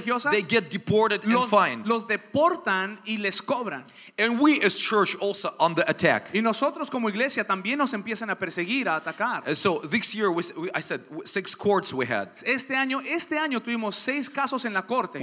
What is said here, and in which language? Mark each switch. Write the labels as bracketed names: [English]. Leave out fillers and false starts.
[English] they get deported and fined. [Spanish] Los deportan y les cobran. [English] And we as church also under attack. [Spanish] Y nosotros como iglesia también nos empiezan a perseguir, a atacar. [English] So this year I said 6 courts we had. [Spanish] Este año tuvimos 6 casos en la corte.